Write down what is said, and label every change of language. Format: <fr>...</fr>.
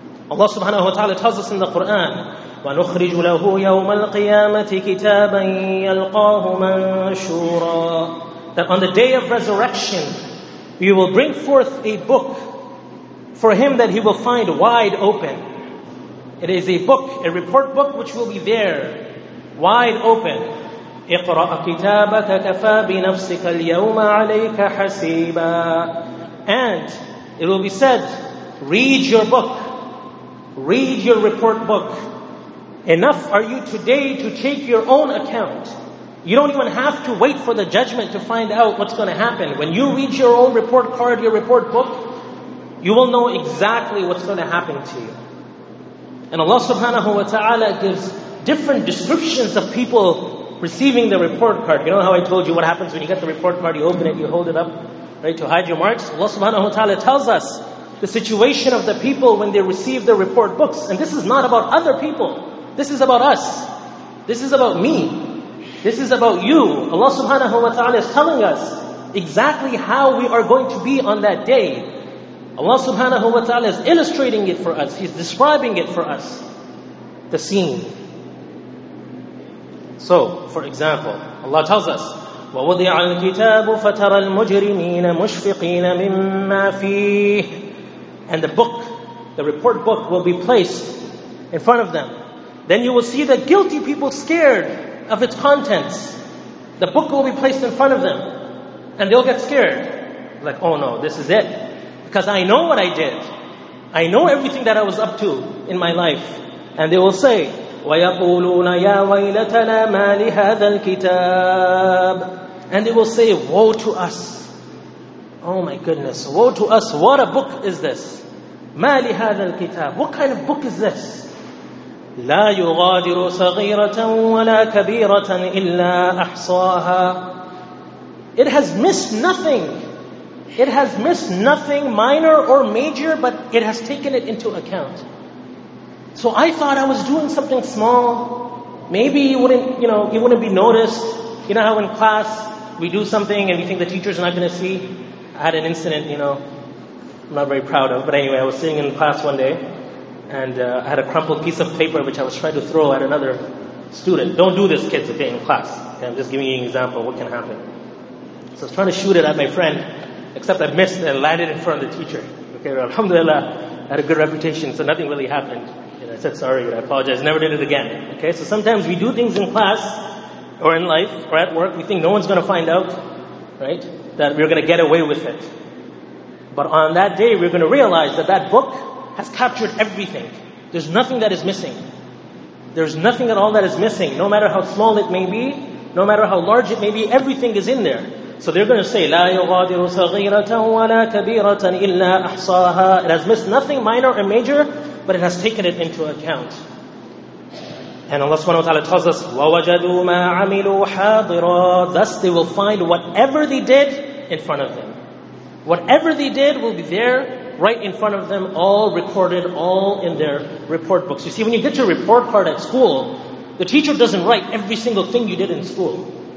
<en>Allah subhanahu wa ta'ala tells us in the Quran,</en> <ar>وَنُخْرِجُ لَهُ يَوْمَ الْقِيَامَةِ كِتَابًا يَلْقَاهُ مَنْشُورًا.</ar> <en>That on the day of resurrection, we will bring forth a book for him that he will find wide open. It is a book, a report book, which will be there, wide open.</en> <ar>اقرأ كتابك كفى بنفسك اليوم عليك حسيبا.</ar> <en>And it will be said, read your book. Read your report book. Enough are you today to take your own account. You don't even have to wait for the judgment to find out what's going to happen. When you read your own report card, your report book, you will know exactly what's going to happen to you. And Allah subhanahu wa ta'ala gives different descriptions of people receiving the report card. You know how I told you what happens when you get the report card, you open it, you hold it up, right, to hide your marks? Allah subhanahu wa ta'ala tells us the situation of the people when they receive the report books. And this is not about other people. This is about us. This is about me. This is about you. Allah subhanahu wa ta'ala is telling us exactly how we are going to be on that day. Allah subhanahu wa ta'ala is illustrating it for us. He's describing it for us. The scene. So, for example, Allah tells us,</en> <ar>وَوُضِعَ الْكِتَابُ فَتَرَى الْمُجْرِمِينَ مُشْفِقِينَ مِمَّا فِيهِ.</ar> <en>And the book, the report book, will be placed in front of them. Then you will see the guilty people scared of its contents. The book will be placed in front of them. And they'll get scared. Like, oh no, this is it. Because I know what I did. I know everything that I was up to in my life. And they will say,</en> <ar>وَيَقُولُونَ يَا وَيْلَتَنَا مَا لِهَذَا الْكِتَابِ.</ar> <en>And they will say, woe to us. Oh my goodness, woe to us. What a book is this?</en> <ar>مَا لِهَذَا الْكِتَابِ.</ar> <en>What kind of book is this?</en> <ar>لَا يُغَادِرُ صَغِيرَةً وَلَا كَبِيرَةً إِلَّا أَحْصَاهَا.</ar> <en>It has missed nothing. It has missed nothing, minor or major, but it has taken it into account. So I thought I was doing something small. Maybe it wouldn't be noticed. You know how in class we do something and we think the teacher's not going to see? I had an incident, I'm not very proud of. But anyway, I was sitting in class one day, and I had a crumpled piece of paper which I was trying to throw at another student. Don't do this, kids, okay, in class. Okay, I'm just giving you an example of what can happen. So I was trying to shoot it at my friend, except I missed and landed in front of the teacher. Okay, alhamdulillah, I had a good reputation, so nothing really happened. And I said, sorry, I apologize, never did it again. Okay, so sometimes we do things in class, or in life, or at work, we think no one's going to find out, right, that we're going to get away with it. But on that day, we're going to realize that that book has captured everything. There's nothing that is missing. There's nothing at all that is missing, no matter how small it may be, no matter how large it may be, everything is in there. So they're going to say,</en> <ar>لَا يُغَادِرُ صَغِيرَةً وَلَا كَبِيرَةً إِلَّا أَحْصَاهَا.</ar> <en>It has missed nothing, minor or major, but it has taken it into account. And Allah subhanahu wa ta'ala tells us,</en> <ar>وَوَجَدُوا مَا عَمِلُوا حَاضِرًا.</ar> <en>Thus they will find whatever they did in front of them. Whatever they did will be there, right in front of them, all recorded, all in their report books. You see, when you get your report card at school, the teacher doesn't write every single thing you did in school.</en>